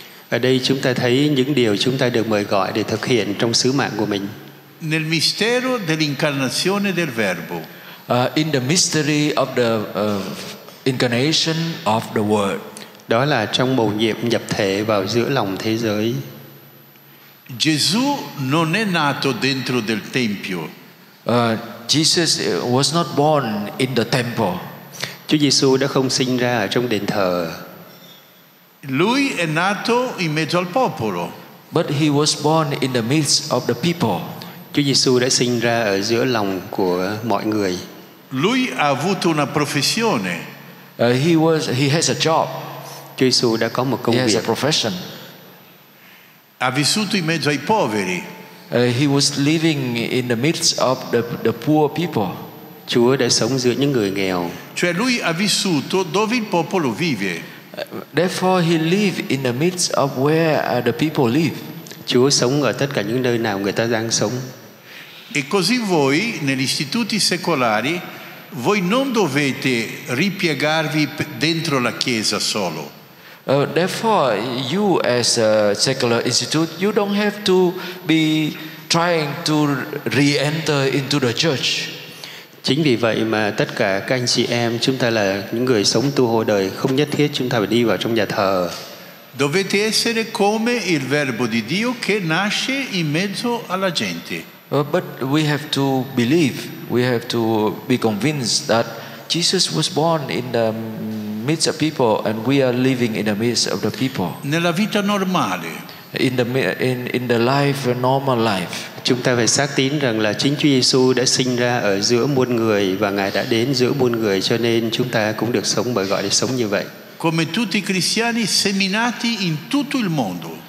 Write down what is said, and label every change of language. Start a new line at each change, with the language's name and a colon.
Vietnamese: Ở đây chúng ta thấy những điều chúng ta được mời gọi để thực hiện trong sứ mạng của mình.
Italian: Nel mistero dell'incarnazione del Verbo.
English: In the mystery of the incarnation of the Word.
Vietnamese: Đó là trong mầu nhiệm nhập thể vào giữa lòng thế giới.
Italian: Gesù non è nato dentro del tempio.
English: Jesus was not born in the temple.
Vietnamese: Chúa Giêsu đã không sinh ra ở trong đền thờ.
Italian: Lui è nato in mezzo al popolo.
English: But he was born in the midst of the people.
Vietnamese: Chúa Giêsu đã sinh ra ở giữa lòng của mọi người.
Italian: Lui ha avuto una professione.
English: He has a job.
Vietnamese: Chúa Giêsu đã có một công
English: he
Vietnamese: việc.
English: Has a profession.
Italian: Ha vissuto in mezzo ai poveri.
English: He was living in the midst of the poor people.
Vietnamese: Chúa đã sống giữa những người nghèo.
Italian: Cioè lui ha vissuto dove il popolo vive.
English: Therefore he lived in the midst of where the people live.
Vietnamese: Chúa sống ở tất cả những nơi nào người ta đang sống.
Italian: E così voi negli istituti secolari voi non dovete ripiegarvi dentro la chiesa solo.
English: Therefore you as a secular institute you don't have to be trying to re-enter into the church.
Vietnamese: Chính vì vậy mà tất cả các anh chị em chúng ta là những người sống tu hồi đời không nhất thiết chúng ta phải đi vào trong nhà thờ.
Italian: Dovete essere come il verbo di Dio che nasce in mezzo alla gente.
English: But we have to believe, we have to be convinced that Jesus was born in the midst of people and we are living in the midst of the people.
Italian: Nella vita normale.
English: In the life, a normal life.
Vietnamese: Chúng ta phải xác tín rằng là chính Chúa Giêsu đã sinh ra ở giữa muôn người và Ngài đã đến giữa muôn người cho nên chúng ta cũng được sống bởi gọi để sống như vậy.
Italian: Come tutti i cristiani seminati in tutto il mondo.